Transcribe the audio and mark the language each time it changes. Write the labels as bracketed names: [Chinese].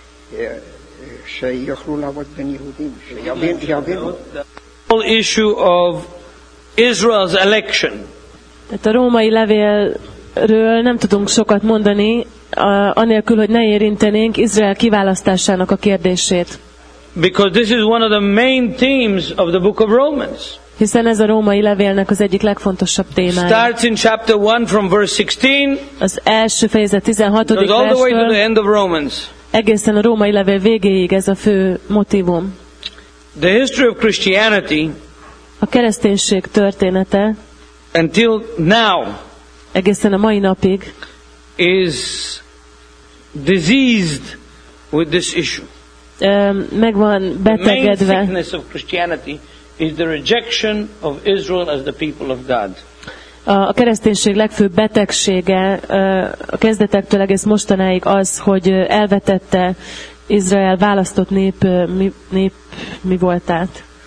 [English] the whole issue of Israel's election. [Hungarian] Tehát a római levélről nem tudunk sokat mondani, anélkül, hogy ne érintenénk Izrael kiválasztásának a kérdését. [English] Because this is one of the main themes of the book of Romans. [Hungarian] Hiszen ez a római levélnek az egyik legfontosabb témája. [English] Starts in chapter 1 from verse 16. [Hungarian] Az első fejezet 16. [English] verstől. Goes all the way to the end of Romans. [Hungarian] Egészen a római levél végéig ez a fő motívum. [English] The history of Christianity, [Hungarian] a kereszténység története [English] until now, [Hungarian] egészen a mai napig [English] is diseased with this issue. [Hungarian] Meg van betegedve. [English] The main sickness of Christianity is the rejection of Israel as the people of God. [Hungarian] A kereszténység legfőbb betegsége a kezdetektől egész mostanáig az, hogy elvetette Izrael választott nép mi voltát.